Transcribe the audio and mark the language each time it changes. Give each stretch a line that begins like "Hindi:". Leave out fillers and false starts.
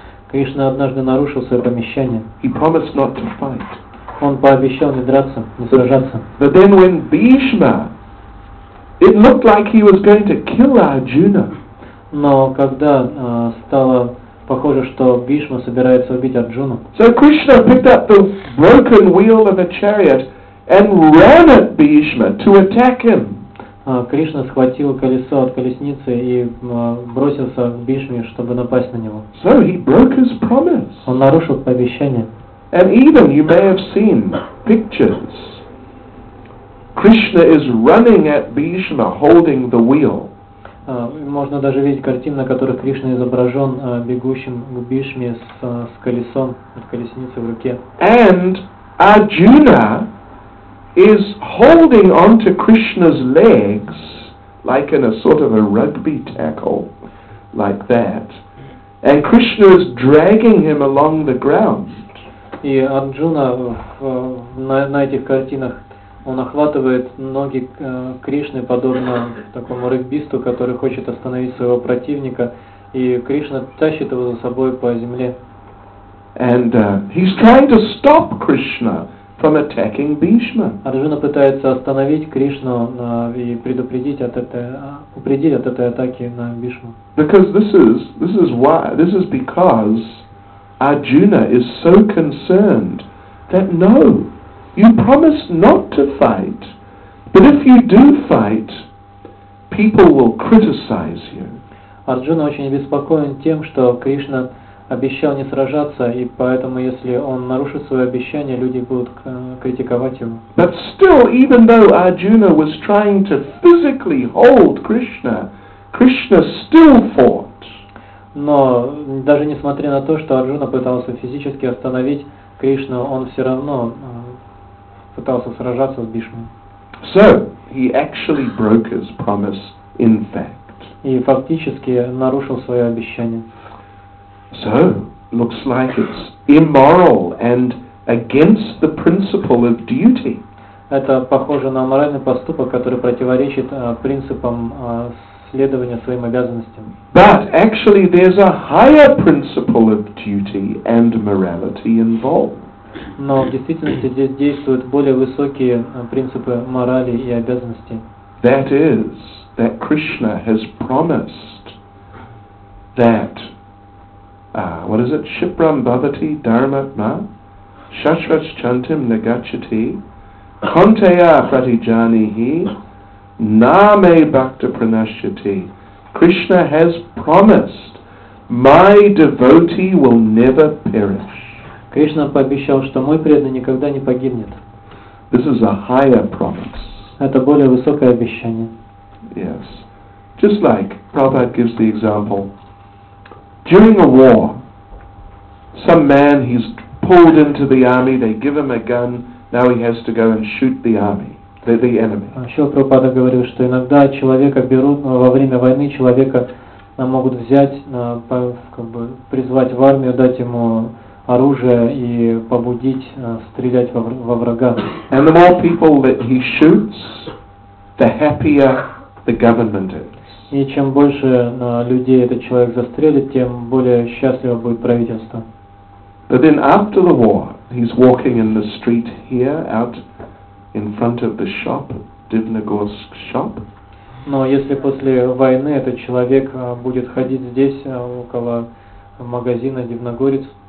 Russian: Кришна однажды нарушил свое обещание.
English: He promised not to fight.
Russian: Он пообещал не драться, не сражаться.
English: But then when Bhishma, it looked like he was going to kill Arjuna.
Russian: Но когда стало похоже, что Бхишма собирается убить Арджуну.
English: So Krishna picked up the broken wheel of a chariot and ran at Bhishma to attack him.
Russian: Кришна схватил колесо от колесницы и бросился к Бхишме, чтобы напасть на него.
English: So he broke his promise.
Russian: Он нарушил обещание.
English: And even you may have seen pictures. Krishna is running at Bhishma, holding the wheel.
Russian: Можно даже видеть картину, на которой Кришна изображен бегущим к Бхишме с колесом от колесницы в руке.
English: And Arjuna is holding onto Krishna's legs, like in a sort of a rugby tackle, like that. And Krishna is dragging him along the ground.
Russian: И Арджуна на этих картинах, он охватывает ноги Кришны, подобно такому регбисту, который хочет остановить своего противника, и Кришна тащит его за собой по земле.
English: And he's trying to stop Krishna from attacking Bhishma.
Russian: Арджуна пытается остановить Кришну и упредить от этой атаки на Бхишму.
English: Because this is why, this is because Arjuna is so concerned that no, you promised not to fight, but if you do fight, people will criticize you.
Russian: Арджуна очень обеспокоен тем, что Кришна обещал не сражаться, и поэтому, если он нарушит свое обещание, люди будут критиковать его.
English: But still, even though Arjuna was trying to physically hold Krishna, Krishna still fought.
Russian: Но даже несмотря на то, что Арджуна пытался физически остановить Кришну, он все равно пытался сражаться с Бишмой.
English: So he actually broke his promise in fact.
Russian: И фактически нарушил свое обещание.
English: So, looks like it's immoral and against the principle of duty.
Russian: Это похоже на моральный поступок, который противоречит принципам следования своим обязанностям.
English: But actually there's a higher principle of duty and morality involved.
Russian: Но в действительности здесь действуют более высокие принципы морали и обязанности.
English: That is that Krishna has promised that what is it?
Sanskrit: Shipram bhavati dharmatma shashvat chantim nagachati kanteya pratijanihi name bhakta pranashyati.
English: Krishna has promised my devotee will never perish.
Russian: Krishna пообещал, что мой преданный никогда не погибнет.
English: This is a higher promise.
Russian: Это более высокое обещание.
English: Yes. Just like Prabhupada gives the example. During a war, some man, he's pulled into the army, they give him a gun, now he has to go and shoot the army, the enemy.
Russian: Шрила Прабхупада говорил, что иногда человека берут, во время войны человека могут взять, призвать в армию, дать ему оружие и побудить стрелять во врага.
English: And the more people that he shoots, the happier the government is.
Russian: И чем больше людей этот человек застрелит, тем более счастливо будет правительство.
English: But then after the war, he's walking in the street here, out in front of the shop, Divnagorsk shop.
Russian: Но если после войны этот человек будет ходить здесь, около магазина Дивногорец,